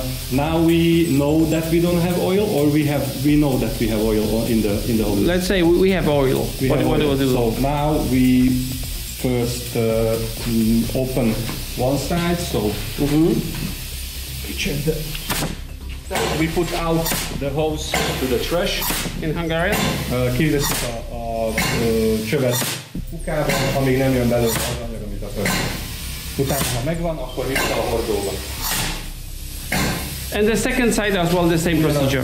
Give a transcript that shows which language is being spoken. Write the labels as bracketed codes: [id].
[en] Now we know that we don't have oil, or we know that we have oil in the hose. Let's say we have oil. So now we first open one side, so we check the. We put out the hose to the trash in Hungary. [hu] Kiveszik a csövet kukába, amíg nem jön belőle az anyag, amit akarunk. Utána, ha megvan, akkor vissza a hordóba. [en] And the second side as well, the same procedure.